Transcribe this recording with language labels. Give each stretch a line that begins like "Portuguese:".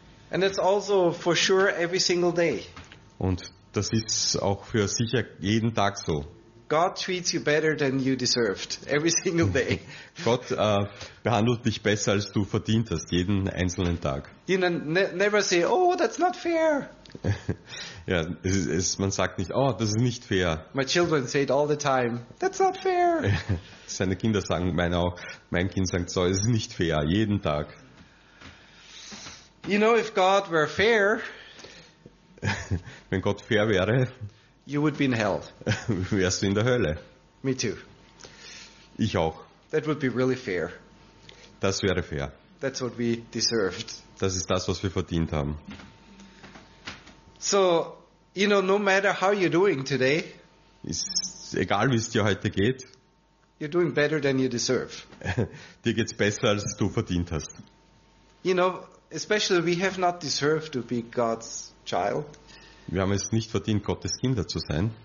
English: And it's also for sure every single day.
German: Und das ist auch für sicher jeden Tag so.
English: God treats you better than you deserved every single day.
German: Gott behandelt dich besser, als du verdient hast, jeden einzelnen Tag.
English: You know, never say, oh, that's not fair.
German: Ja, man sagt nicht, oh, das ist nicht fair.
English: My children say it all the time, that's not fair.
German: Seine Kinder sagen, mein Kind sagt so, es ist nicht fair, jeden Tag.
English: You know, if God were fair,
German: wenn Gott fair wäre,
English: you would be in hell.
German: Wärst du in der Hölle?
English: Me too.
German: Ich auch.
English: That would be really fair.
German: Das wäre fair.
English: That's what we deserved.
German: Das ist das, was wir verdient haben.
English: So, you know, no matter how you're doing today,
German: ist egal, wie es dir heute geht,
English: you're doing better than you deserve.
German: Dir geht's besser, als du verdient hast.
English: You know, especially we have not deserved to be God's child.
German: Wir haben es nicht verdient, Gottes Kinder zu sein.